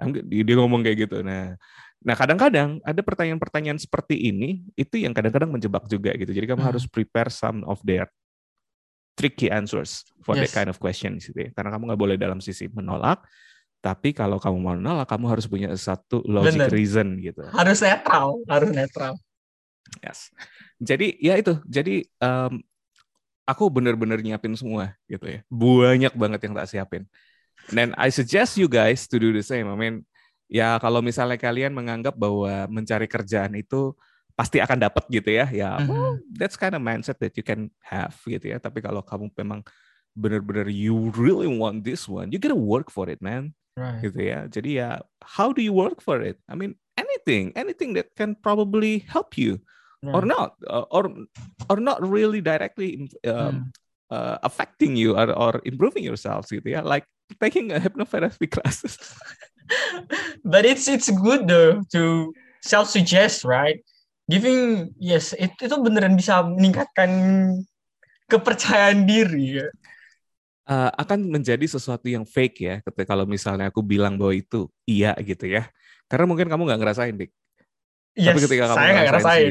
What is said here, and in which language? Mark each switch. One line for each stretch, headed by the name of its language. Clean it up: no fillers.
Indonesian: Dia ngomong kayak gitu. Nah, kadang-kadang ada pertanyaan-pertanyaan seperti ini, itu yang kadang-kadang menjebak juga gitu.
English: Jadi kamu harus prepare some of their tricky answers for that kind of question.
Indonesian: Gitu. Karena kamu gak boleh dalam sisi menolak, tapi kalau kamu mau menolak, kamu harus punya satu logic reason gitu. Harus netral. Yes. Jadi, ya itu. Jadi, aku benar-benar nyiapin semua gitu ya. Banyak banget yang tak siapin. Then I suggest you guys to do the same. I mean, ya kalau misalnya kalian menganggap bahwa mencari kerjaan itu pasti akan dapat gitu ya, ya that's kind of mindset that you can have gitu ya.
English: Tapi kalau kamu memang benar-benar you really want this one, you gotta work for it, man. Right.
Indonesian: Gitu ya.
English: Jadi ya, how do you work for it? I mean, anything that can probably help you or not really directly affecting you or improving yourselves gitu ya, like taking a hypnotherapy classes. But it's good though to self-suggest, right?
Indonesian: Giving, yes, itu beneran bisa meningkatkan kepercayaan diri. Akan menjadi sesuatu yang fake ya, ketika kalau misalnya aku bilang bahwa itu iya gitu ya. Karena mungkin kamu gak ngerasain, Dik. Yes, tapi ketika kamu ngerasain